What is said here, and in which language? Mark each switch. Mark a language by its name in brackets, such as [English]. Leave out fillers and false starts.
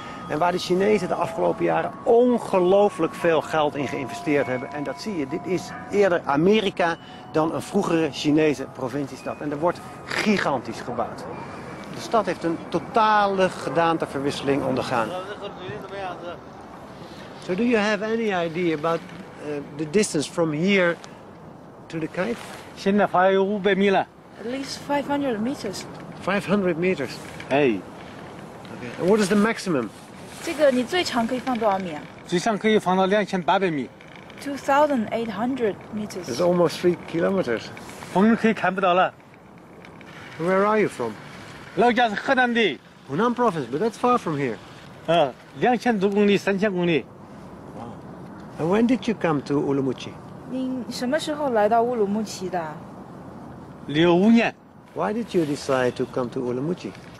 [Dutch] En waar de Chinezen de afgelopen jaren ongelooflijk veel geld in geïnvesteerd hebben. En dat zie je, dit is eerder Amerika dan een vroegere Chinese provinciestad. En er wordt gigantisch gebouwd. De stad heeft een totale gedaanteverwisseling ondergaan. [English] So do you have any idea about the distance from here to the cave? At least 500 meters. 500 meters. Hey. Okay. What is the maximum? [Chinese] 这个你最长可以放多少米啊? 最长可以放到2800米。 [English] 2,800 meters. It's almost 3 kilometers. [Chinese] 风可以看不到了。 [English] Where are you from? [Chinese] 老家是河南的。 [English] Hunan province, but that's far from here. [Chinese] 2,000多公里,3,000公里。 [English] Wow. And when did you come to Urumqi? [Chinese] 你什么时候来到乌鲁木齐的? 65年。 [English] Why did you decide to come to Urumqi?